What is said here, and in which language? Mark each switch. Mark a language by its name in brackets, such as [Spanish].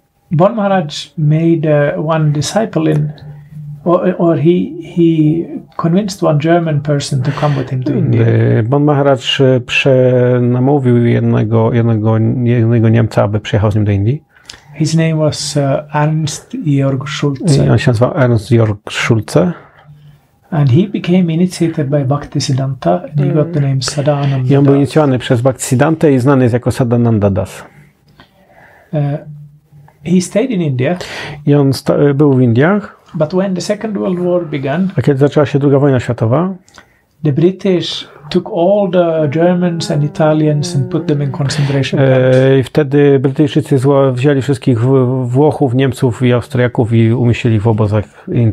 [English] Bon Maharaj made one disciple in, or he convinced one German person to come with him to India. [Polish] Bon Maharaj przenamówił jednego Niemca, aby przyjechał z nim do Indii. [English] His name was Ernst Georg Schulze. [Polish] On się nazywał Ernst Georg Schulze. [English] And he became initiated by Bhaktisiddhanta, and he got the name Sadananda Das. [Polish] I on był inicjowany przez Bhaktisiddhanta i znany jest jako Sadananda Das. [English] He stayed in India. [Polish] I on był w Indiach. [English] But when the Second World War began, [Polish] a kiedy zaczęła się II wojna światowa, [English] the British took all the Germans and Italians and put them in concentration camps. [Polish] I wtedy Brytyjczycy wzięli wszystkich Włochów, Niemców i Austriaków i umieścili w obozach.